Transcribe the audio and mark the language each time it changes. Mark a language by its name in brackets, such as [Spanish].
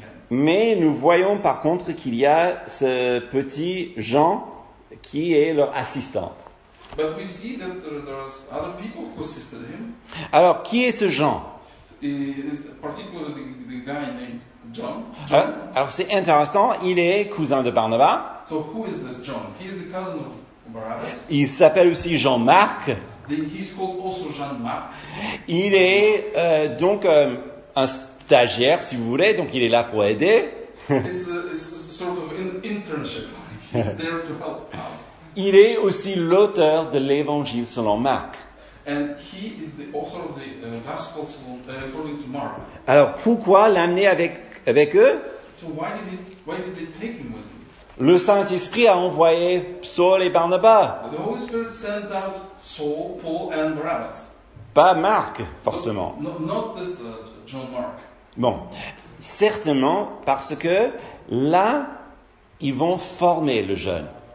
[French] Mais nous voyons par contre qu'il y a ce petit Jean qui est leur assistant. [English] But we see that there are other people who assisted him. [French] Alors, qui est ce Jean? [English] John. [French] Alors, c'est intéressant, il est cousin de Barnabas. [English] So who is this John? He is the cousin of Barabbas. [French] Il s'appelle aussi Jean-Marc. [English] He's called also Jean-Marc. [French] Il est donc un stagiaire, si vous voulez, donc il est là pour aider. [English] It's a sort of an internship. He's there to help out. [French] Il est aussi l'auteur de l'Évangile selon Marc. [English] And he is the author of the Gospel according to Mark. [French] Alors pourquoi l'amener avec eux? [English] So why did they take him with them? [French] Le Saint-Esprit a envoyé Saul et Barnabas. [English] The Holy Spirit sent out Saul, Paul and Barabbas. [French] Pas Marc, forcément. [English] Not this John Mark. [French] Bon, certainement parce que là, ils vont former le jeune.